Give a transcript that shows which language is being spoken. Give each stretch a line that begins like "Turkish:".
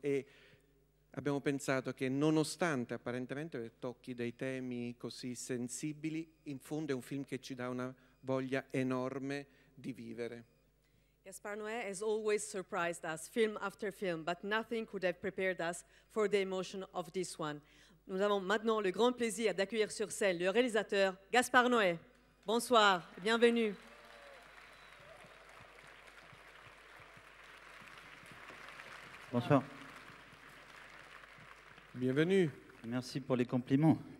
Italian: E abbiamo pensato che, nonostante apparentemente tocchi dei temi così sensibili, in fondo è un film che ci dà una voglia enorme di vivere.
English: Gaspar Noé has always surprised us, film after film, but nothing could have prepared us for the emotion of this one.
French: Nous avons maintenant le grand plaisir d'accueillir sur scène le réalisateur Gaspar Noé. Bonsoir, bienvenue. Bonsoir. Bienvenue. Merci pour les compliments.